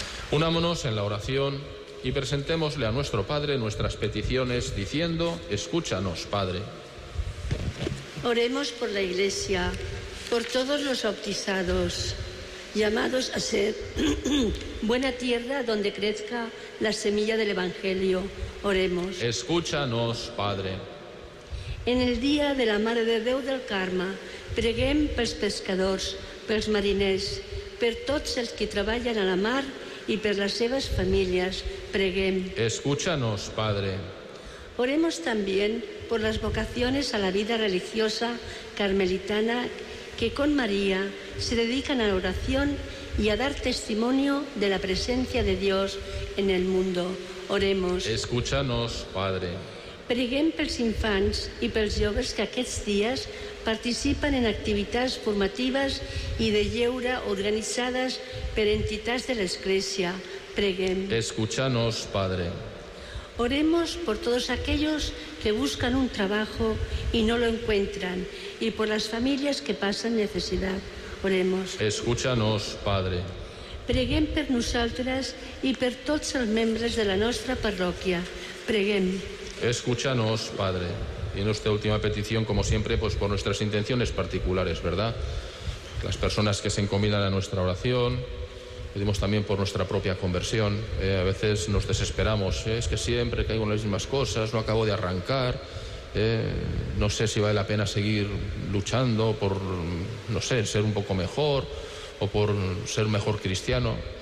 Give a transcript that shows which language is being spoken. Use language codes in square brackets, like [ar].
[es] Unámonos en la oración y presentémosle a nuestro Padre nuestras peticiones diciendo: escúchanos, Padre. Oremos por la Iglesia, por todos los bautizados, llamados a ser buena tierra donde crezca la semilla del Evangelio. Oremos. Escúchanos, Padre. [ca] En el día de la Mare de Déu del Carme, preguem pels pescadors, pels mariners, per tots els que treballen a la mar i per les seves famílies, preguem. [es] Escúchanos, Padre. Oremos también por las vocaciones a la vida religiosa carmelitana que con María se dedican a la oración y a dar testimonio de la presencia de Dios en el mundo. Oremos. Escúchanos, Padre. [ca] Preguem pels infants i pels joves que aquests dies participen en activitats formatives i de lleure organitzades per entitats de l'Església. Preguem. [es] Escúchanos, Padre. Oremos por todos aquellos que buscan un trabajo y no lo encuentran y por las familias que pasan necesidad. Oremos. Escúchanos, Padre. [ca] Preguem per nosaltres i per tots els membres de la nostra parròquia. Preguem. [es] Escúchanos, Padre. Y nuestra última petición, como siempre, pues por nuestras intenciones particulares, ¿verdad? Las personas que se encomiendan a nuestra oración, pedimos también por nuestra propia conversión. A veces nos desesperamos, es que siempre caigo en las mismas cosas, no acabo de arrancar, no sé si vale la pena seguir luchando por, no sé, ser un poco mejor o por ser mejor cristiano.